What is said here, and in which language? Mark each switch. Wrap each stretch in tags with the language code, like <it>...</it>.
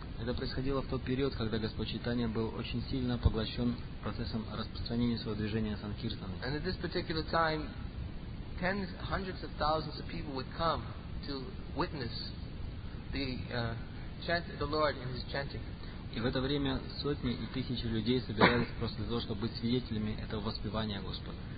<ru>Это происходило в тот период, когда Господь Чайтанья был очень сильно поглощен процессом распространения своего движения Санкиртаны.</ru> <en>And at this particular time, tens, hundreds of thousands of people would come to witness the chant the Lord in his chanting.</en> <ru>И в это время сотни и тысячи людей собирались просто для того, чтобы быть свидетелями этого воспевания Господа.</ru>